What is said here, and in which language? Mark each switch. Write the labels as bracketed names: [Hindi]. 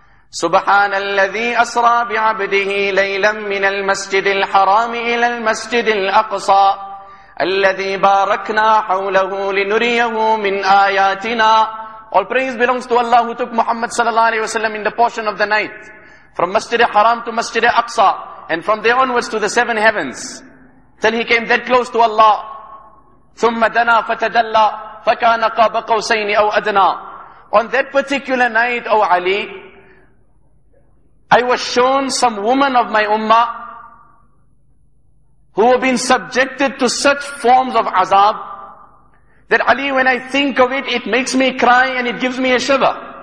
[Arabic] سبحان الذي أسرى بعبده ليلا من المسجد الحرام إلى المسجد الأقصى الذي باركنا حوله لنريه من آياتنا. [English] All praise belongs to Allah who took Muhammad sallallahu alaihi wasallam in the portion of the night from Masjid al-Haram to Masjid al-Aqsa and from there onwards to the seven heavens till he came that close to Allah. [Arabic] ثم دنا فتدلى فكان قاب قوسين أو أدنى. [English] On that particular night, O Ali, I was shown some woman of my ummah who have been subjected to such forms of azab that Ali, when I think of it, it makes me cry and it gives me a shiver.